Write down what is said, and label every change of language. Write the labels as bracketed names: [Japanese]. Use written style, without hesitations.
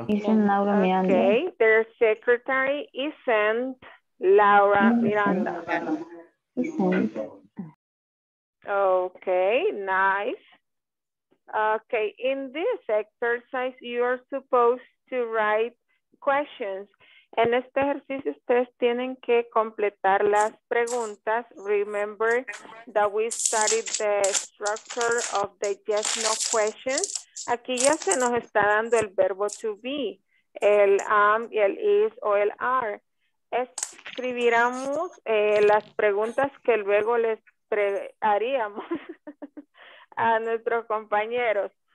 [English] Okay, their secretary isn't Laura Miranda. Okay, nice. Okay, in this exercise, you are supposed to write questions. [Spanish] En este ejercicio, ustedes tienen que completar las preguntas. [English] Remember that we studied the structure of the yes, no questions. [Spanish] Aquí ya se nos está dando el verbo to be, el am, el is o el are. Escribiremos las preguntas que luego les haríamos a nuestros compañeros.